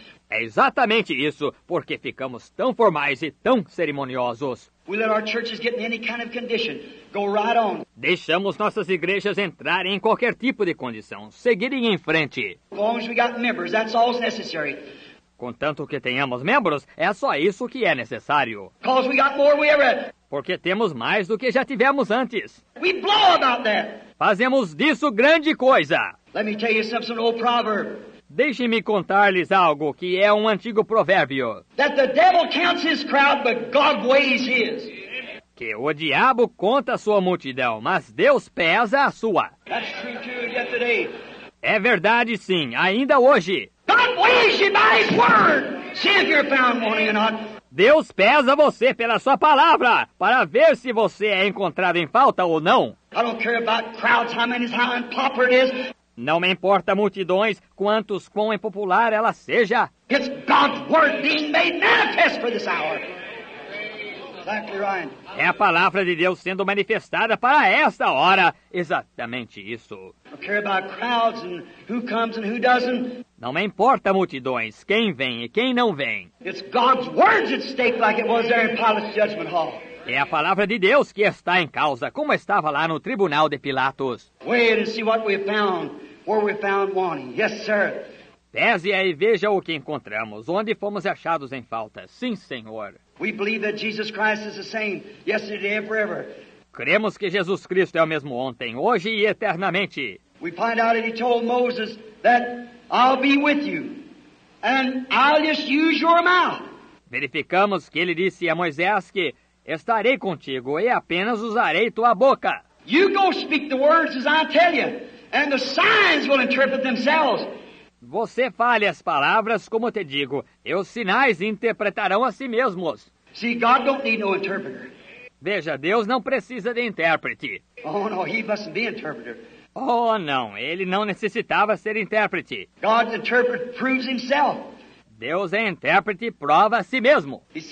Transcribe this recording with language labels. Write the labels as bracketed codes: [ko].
[pt] É exatamente isso, porque ficamos tão formais e tão cerimoniosos. [en] We let our churches get in any kind of condition. Go right on. [pt] Deixamos nossas igrejas entrarem em qualquer tipo de condição, seguirem em frente. [en] As long as we got members, that's all that's necessary. [pt] Contanto que tenhamos membros, é só isso que é necessário. [en] Because we got more we ever. [pt] Porque temos mais do que já tivemos antes. [en] We blow about that. [pt] Fazemos disso grande coisa. [en] Let me tell you something, old proverb. [pt] Deixe-me contar-lhes algo que é um antigo provérbio. [en] That the devil counts his crowd, but God weighs his. [pt] Que o diabo conta a sua multidão, mas Deus pesa a sua. [en] That's true too, yet today. [pt] É verdade sim, ainda hoje. [en] God weighs you by his word. See if you're found wanting or not. [pt] Deus pesa você pela sua palavra, para ver se você é encontrado em falta ou não. [en] I don't care about crowds, how many, how unpopular it is. [pt] Não me importa multidões, quantos, quão impopular ela seja. [en] It's God's word being made manifest for this hour. Exactly right. [pt] É a palavra de Deus sendo manifestada para esta hora. Exatamente isso. [en] I don't care about crowds and who comes and who doesn't. [pt] Não me importa multidões, quem vem e quem não vem. [en] It's God's words at stake like it was there in Pilate's judgment hall. [pt] É a palavra de Deus que está em causa, como estava lá no tribunal de Pilatos. [en] Wait and see what we found, where we found wanting. Yes, sir. [pt] Pese aí, veja o que encontramos, onde fomos achados em falta. Sim, Senhor. [en] We believe that Jesus Christ is the same, yesterday and forever. [pt] Cremos que Jesus Cristo é o mesmo ontem, hoje e eternamente. [en] We find out that he told Moses that I'll be with you, and I'll just use your mouth. [pt] Verificamos que ele disse a Moisés que estarei contigo e apenas usarei tua boca. [en] You go speak the words as I tell you, and the signs will interpret themselves. [pt] Você fale as palavras como te digo, e os sinais interpretarão a si mesmos. [en] See, God don't need no interpreter. [pt] Veja, Deus não precisa de intérprete. [en] Oh no, he mustn't be interpreter. [pt] Oh não, ele não necessitava ser intérprete. [en] God's interpreter proves himself. [pt] Deus é intérprete e prova a si mesmo.